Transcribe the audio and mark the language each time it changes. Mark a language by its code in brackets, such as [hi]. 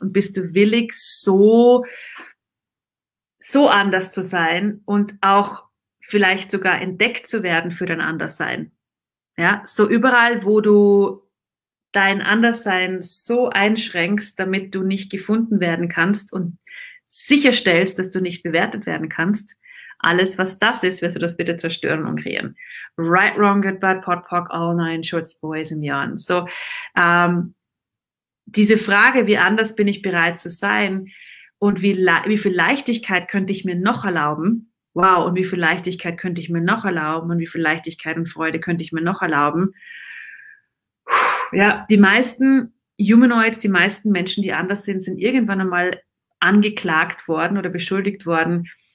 [de] Und bist du willig, so anders zu sein und auch vielleicht sogar entdeckt zu werden für dein Anderssein? Ja, so überall, wo du dein Anderssein so einschränkst, damit du nicht gefunden werden kannst und sicherstellst, dass du nicht bewertet werden kannst, alles, was das ist, wirst du das bitte zerstören und kreieren. [en] Right, wrong, good, bad, pot, pock, all nine shorts, boys and yarns. So, [de] diese Frage, wie anders bin ich bereit zu sein und wie viel Leichtigkeit könnte ich mir noch erlauben? Wow, und wie viel Leichtigkeit könnte ich mir noch erlauben und wie viel Leichtigkeit und Freude könnte ich mir noch erlauben? Ja, die meisten Humanoids, die meisten Menschen, die anders sind, sind irgendwann einmal angeklagt worden oder beschuldigt worden.